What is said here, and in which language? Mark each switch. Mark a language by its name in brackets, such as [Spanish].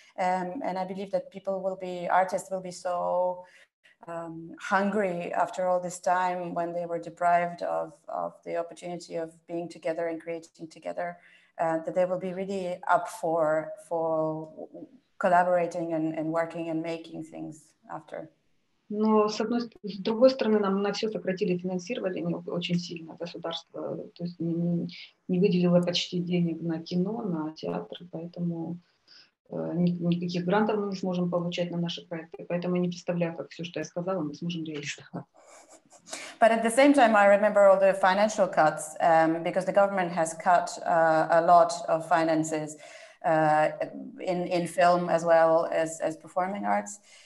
[English] And I believe that people will be, artists will be so hungry after all this time when they were deprived of the opportunity of being together and creating together, that they will be really up for collaborating and working and making things after. [Russian] Но с другой стороны, нам на все сократили финансирование очень сильно государство, то есть не выделило почти денег на кино, на театр, поэтому никаких грантов мы не сможем получать на наши проекты, поэтому я не представляю, как все, что я сказала, мы сможем реализовать. [English] But at the same time, I remember all the financial cuts, because the government has cut a lot of finances in film as well as performing arts.